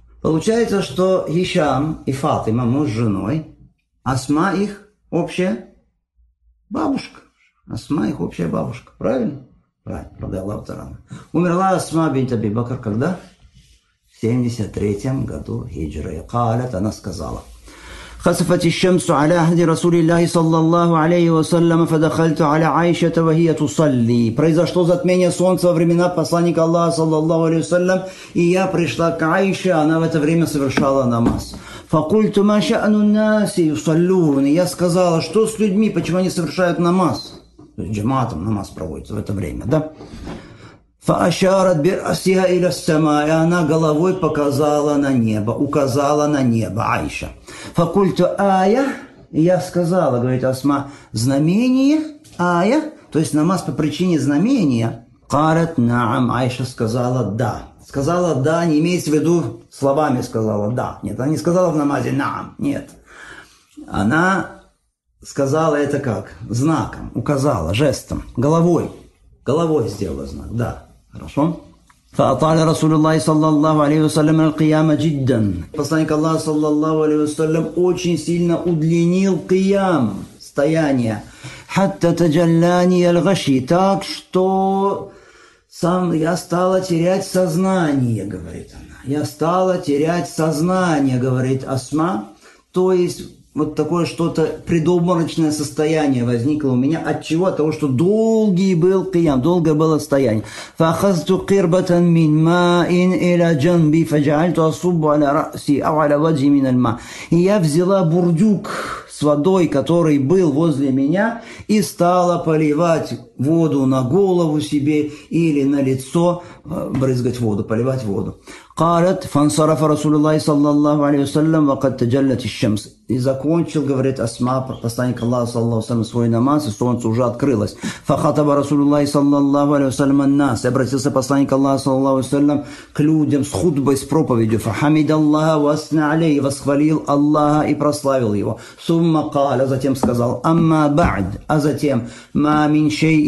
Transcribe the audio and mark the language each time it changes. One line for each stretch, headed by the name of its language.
Russian: Получается, что Хишам и Фатима, муж с женой, Асма их общая бабушка. Асма их общая бабушка. Правильно? Правильно. Рады Аллаху Тарану. Умерла Асма бинт Аби Бакр когда? В 73 году хиджры. Калят, она сказала.
Arabic: خسفت الشمس على أهل رسول الله صلى الله عليه وسلم فدخلت على عائشة وهي تصلي.
Russian: Произошло затмение солнца во времена посланника Аллаха
Arabic: صلى الله عليه وسلم
Russian: и я пришла к Аише, она в это время совершала намаз.
Arabic: فقلت ما شأن الناس يصلون.
Russian: Я сказала, что с людьми, почему они совершают намаз? Джаматом намаз проводится в это время, да?
Arabic: فأشارت برأسها إلى السماء.
Russian: Она головой показала на небо, указала на небо, Аиша. Факульту ая, я сказала, говорит Асма, знамение ая, то есть намаз по причине знамения. Карат наам, Аиша сказала да. Сказала да, не имеется в виду словами сказала да. Нет, она не сказала в намазе наам, нет. Она сказала это как? Знаком, указала, жестом, головой. Головой сделала знак, да. Хорошо.
Arabic: فأطال رسول الله صلى الله عليه وسلم القيام جدا.
Russian: Посланник Аллаха
Arabic: صلى الله عليه وسلم
Russian: очень сильно удлинил قيام, стояние.
Arabic: حتى تجلاني الغشي.
Russian: Так что сам я стала терять сознание, говорит она. Я стала терять сознание, говорит Асма. То есть вот такое что-то предобморочное состояние возникло у меня. От чего? От того, что долгий был киям, долгое было стояние.
Arabic: فَأَخَذْتُ قِرْبَةً مِنْ مَاءٍ إِلَى جَنْبِي فَجَعَلْتُ أَصُبُّ عَلَى رَأْسِي أَوْ عَلَى وَجْهِي مِنَ الْمَاءِ.
Russian: Я взяла бурдюк с водой, который был возле меня, и стала поливать воду на голову себе или на лицо, брызгать воду, поливать воду.
Arabic: قالت فانصرف رسول الله صلى الله عليه وسلم وقد تجلت الشمس.
Russian: И закончил, говорит Асма, посланник Аллаха
Arabic: صلى الله عليه وسلم,
Russian: свой намаз, и солнце уже открылось.
Arabic: فخطب رسول الله صلى الله عليه وسلم الناس.
Russian: Обратился посланник Аллаха
Arabic: صلى الله عليه وسلم
Russian: к людям с хутбой, с проповедью.
Arabic: فحمد الله واثنى عليه.
Russian: Восхвалил Аллаха и прославил его.
Arabic: ثم قال,
Russian: затем сказал,
Arabic: أما بعد,
Russian: а затем,
Arabic: ما من شيء